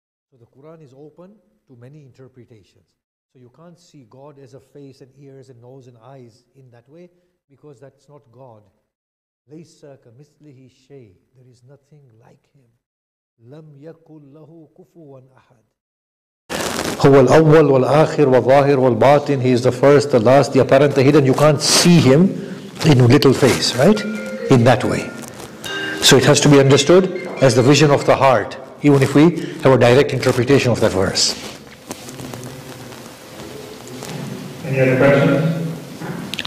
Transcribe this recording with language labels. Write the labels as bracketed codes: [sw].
[en] So the Quran is open to many interpretations. So you can't see God as a face and ears and nose and eyes in that way, because that's not God. [ar] لَيْسَ كَمِثْلِهِ شَيْءٍ. [en] There is nothing like Him. [ar] لَمْ يَكُلْ لَهُ كُفُوًا أَحَدٍ. هو الأول والآخر والظاهر والباطن. [en] He is the first, the last, the apparent, the hidden. You can't see Him in a little face, right? In that way. So it has to be understood as the vision of the heart, even if we have a direct interpretation of that verse. Any other questions?